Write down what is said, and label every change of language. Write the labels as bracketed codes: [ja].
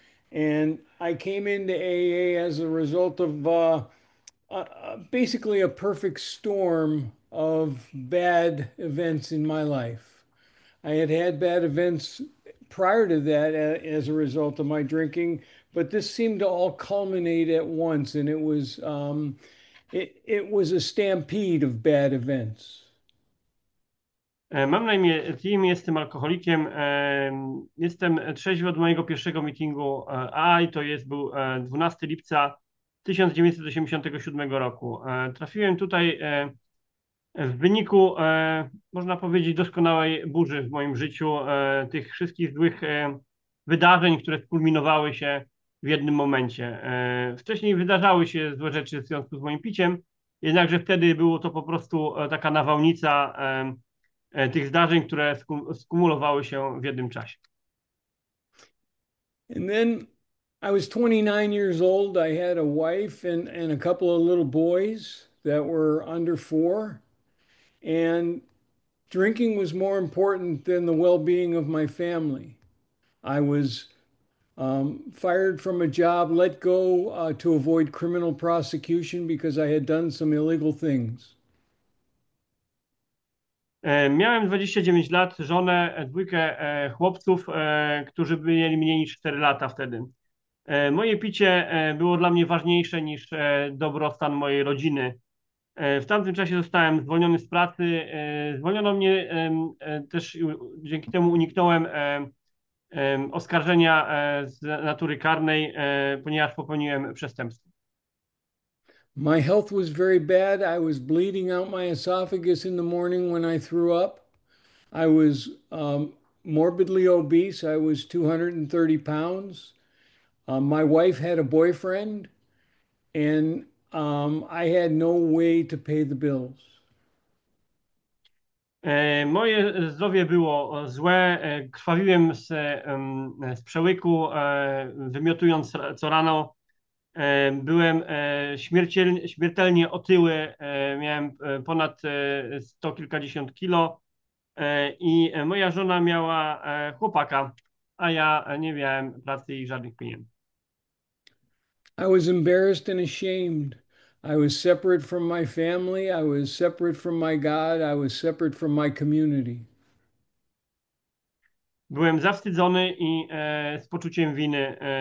[en] And I came into AA as a result of basically a perfect storm of bad events in my life. I had had bad events prior to that as a result of my drinking, but this seemed to all culminate at once, and it was a stampede of bad events. [pl] Mam na imię Tim, jestem alkoholikiem. Jestem trzeźwy od mojego pierwszego meetingu AA, to jest był 12 lipca 1987 roku. Trafiłem tutaj w wyniku, można powiedzieć, doskonałej burzy w moim życiu, tych wszystkich złych wydarzeń, które skulminowały się w jednym momencie. Wcześniej wydarzały się złe rzeczy w związku z moim piciem, jednakże wtedy było to po prostu taka nawałnica tych zdarzeń, które skumulowały się w jednym czasie. [en] And then I was 29 years old. I had a wife and a couple of little boys that were under four. And drinking was more important than the well-being of my family. I was fired from a job, let go to avoid criminal prosecution because I had done some illegal things. [pl] Miałem 29 lat, żonę, dwójkę chłopców, którzy mieli mniej niż 4 lata wtedy. Moje picie było dla mnie ważniejsze niż dobrostan mojej rodziny. W tamtym czasie zostałem zwolniony z pracy. Zwolniono mnie też, dzięki temu uniknąłem oskarżenia z natury karnej, ponieważ popełniłem przestępstwo. [en] My health was very bad. I was bleeding out my esophagus in the morning when I threw up. I was morbidly obese. I was 230 pounds. My wife had a boyfriend, and I had no way to pay the bills. [pl] Moje zdrowie było złe, krwawiłem z przełyku, wymiotując co rano. Byłem śmiertelnie otyły, miałem ponad 100 kilkadziesiąt kilo i moja żona miała chłopaka, a ja nie miałem pracy i żadnych pieniędzy. [en] I was embarrassed and ashamed. I was separate from my family. I was separate from my God. I was separate from my community. [pl] Byłem zawstydzony i z poczuciem winy.